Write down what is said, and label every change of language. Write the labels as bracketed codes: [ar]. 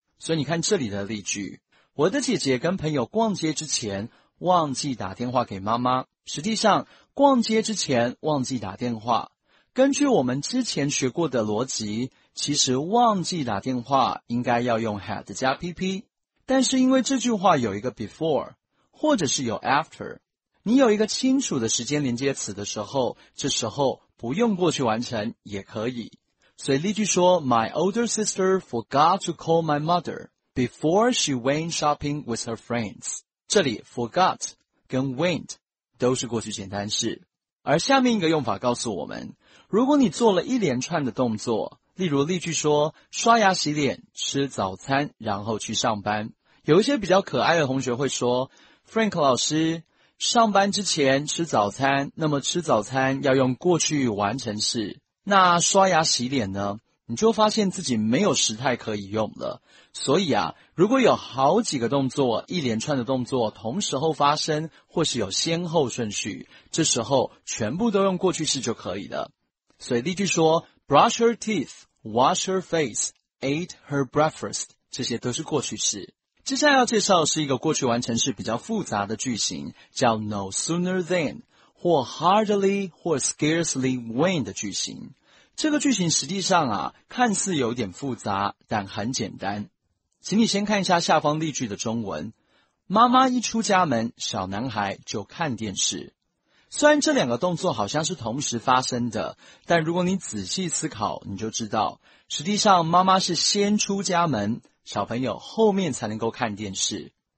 [zh] 所以你看这里的例句，我的姐姐跟朋友逛街之前忘记打电话给妈妈，实际上逛街之前忘记打电话，根据我们之前学过的逻辑，其实忘记打电话应该要用 had 加 PP， 但是因为这句话有一个 before 或者是有 after， 你有一个清楚的时间连接词的时候，这时候不用过去完成也可以。所以例句说， [en] My older sister forgot to call my mother before she went shopping with her friends。 [zh] 这里 forgot 跟 went 都是过去简单式。而下面一个用法告诉我们，如果你做了一连串的动作，例如例句说，刷牙洗脸吃早餐然后去上班，有一些比较可爱的同学会说， Frank 老师，上班之前吃早餐，那么吃早餐要用过去完成式，那刷牙洗脸呢？你就发现自己没有时态可以用了。所以啊，如果有好几个动作，一连串的动作同时候发生，或是有先后顺序，这时候全部都用过去式就可以了。所以例句说， [en] Brush her teeth, wash her face, ate her breakfast， [zh] 这些都是过去式。接下来要介绍的是一个过去完成式比较复杂的句型，叫 no sooner than，或 hardly 或 scarcely when 的句型。这个句型实际上啊，看似有点复杂，但很简单。请你先看一下下方例句的中文。妈妈一出家门，小男孩就看电视。虽然这两个动作好像是同时发生的，但如果你仔细思考，你就知道，实际上妈妈是先出家门，小朋友后面才能够看电视。